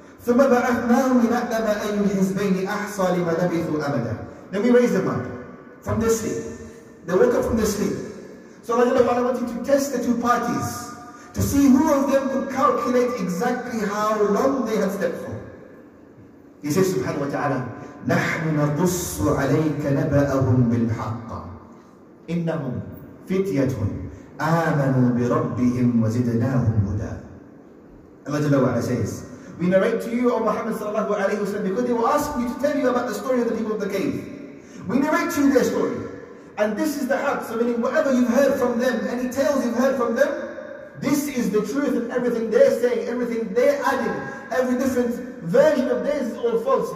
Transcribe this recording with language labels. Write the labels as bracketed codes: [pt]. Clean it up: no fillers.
[ar] ثُمَّ بَعَثْنَاهُمْ لِنَعْلَمَ أَيُّ الْحِزْبَيْنِ أَحْصَى لِمَا لَبِثُوا أَمَدًا. [en] Then we raised them up from their sleep. They woke up from their sleep. So Allah Jalla Wa'ala wanted to test the two parties to see who of them could calculate exactly how long they had slept for. He says, subhanahu wa ta'ala, [ar] نَحْنُ نَقُصُّ عَلَيْكَ نَبَأَهُمْ بِالْحَقَّ إِنَّهُمْ فِتْيَةٌ آمَنُوا بِرَبِّهِمْ وَزِدْنَاهُمْ هُدَى. [en] Allah Jalla Wa'ala says, we narrate to you, O Muhammad sallallahu alayhi wa sallam, because they will ask me to tell you about the story of the people of the cave. We narrate to you their story. And this is the haqq, so meaning whatever you've heard from them, any tales you've heard from them, this is the truth, and everything they're saying, everything they're adding, every different version of theirs is all false.